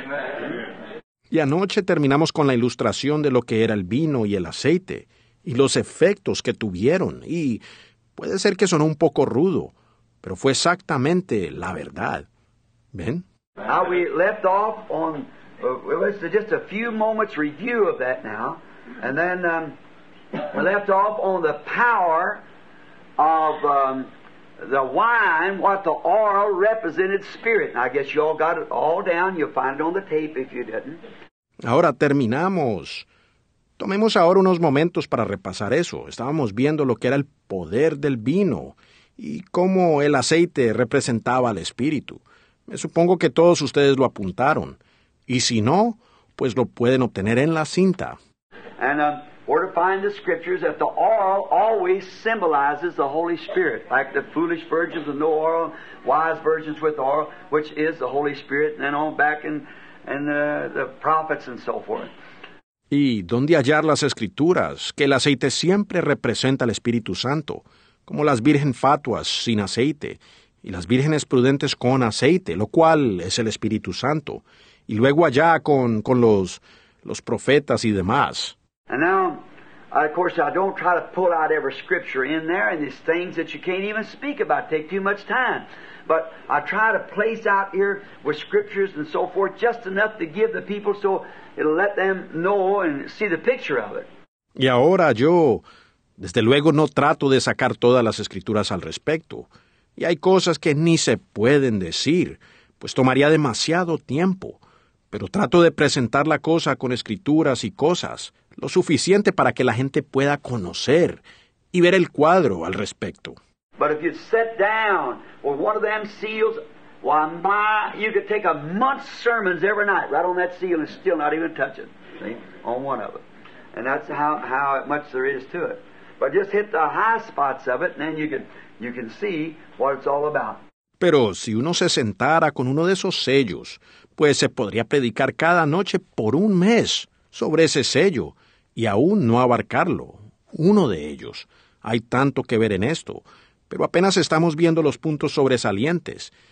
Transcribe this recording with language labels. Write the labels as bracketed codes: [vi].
[es] Amen. Y anoche terminamos con la ilustración de lo que era el vino y el aceite y los efectos que tuvieron. Y puede ser que sonó un poco rudo, pero fue exactamente la verdad. ¿Ven? [en] Now we left off on, it was just a few moments review of that now. And then we left off on the power of the wine, what the oil represented spirit. And I guess you all got it all down. You'll find it on the tape if you didn't. [es] Ahora terminamos. Tomemos ahora unos momentos para repasar eso. Estábamos viendo lo que era el poder del vino y cómo el aceite representaba al espíritu. Me supongo que todos ustedes lo apuntaron. Y si no, pues lo pueden obtener en la cinta. [en] And where to find the scriptures that the oil always symbolizes the Holy Spirit, like the foolish virgins with no oil, wise virgins with oil, which is the Holy Spirit, and then on back in the prophets and so forth. [es] ¿Y dónde hallar las escrituras que el aceite siempre representa al Espíritu Santo, como las virgen fatuas sin aceite y las vírgenes prudentes con aceite, lo cual es el Espíritu Santo? Y luego allá con los profetas y demás. [en] And now, of course, I don't try to pull out every scripture in there, and these things that you can't even speak about take too much time. But I try to place out here with scriptures and so forth just enough to give the people so it'll let them know and see the picture of it. [es] Y ahora yo, desde luego, no trato de sacar todas las escrituras al respecto. Y hay cosas que ni se pueden decir, pues tomaría demasiado tiempo. Pero trato de presentar la cosa con escrituras y cosas, lo suficiente para que la gente pueda conocer y ver el cuadro al respecto. [en] But if you sit down with one of them seals, why, my, you could take a month's sermons every night right on that seal and still not even touch it, see, on one of them. And that's how much there is to it. But just hit the high spots of it, and then you can see what it's all about. [es] Pero si uno se sentara con uno de esos sellos, pues se podría predicar cada noche por un mes sobre ese sello y aún no abarcarlo, uno de ellos. Hay tanto que ver en esto, pero apenas estamos viendo los puntos sobresalientes.